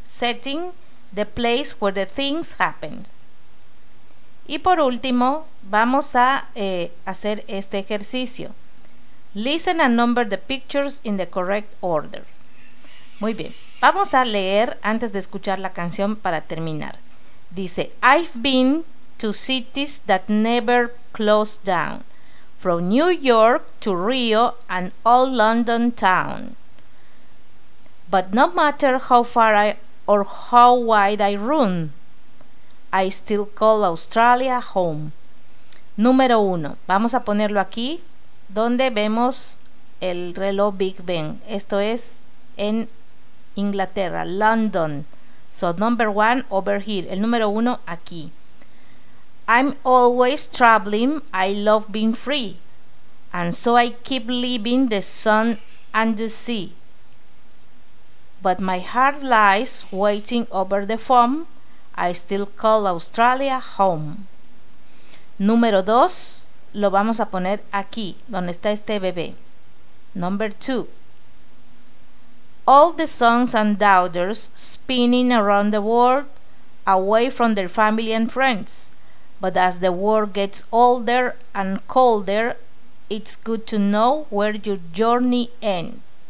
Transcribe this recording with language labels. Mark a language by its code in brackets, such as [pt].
[en] Setting, the place where the things happen. [es] Y por último, vamos a hacer este ejercicio. [en] Listen and number the pictures in the correct order. [es] Muy bien, vamos a leer antes de escuchar la canción para terminar. Dice, [en] I've been to cities that never close down. From New York to Rio and all London town. But no matter how far I or how wide I run, I still call Australia home. [es] Número uno. Vamos a ponerlo aquí donde vemos el reloj Big Ben. Esto es en Inglaterra, London. [en] So number one over here. [es] El número uno aquí. [en] I'm always traveling. I love being free. And so I keep living the sun and the sea. But my heart lies waiting over the foam. I still call Australia home. [es] Número dos, lo vamos a poner aquí, donde está este bebé. [en] Number two. All the sons and daughters spinning around the world, away from their family and friends. But as the world gets older and colder, it's good to know where your journey ends.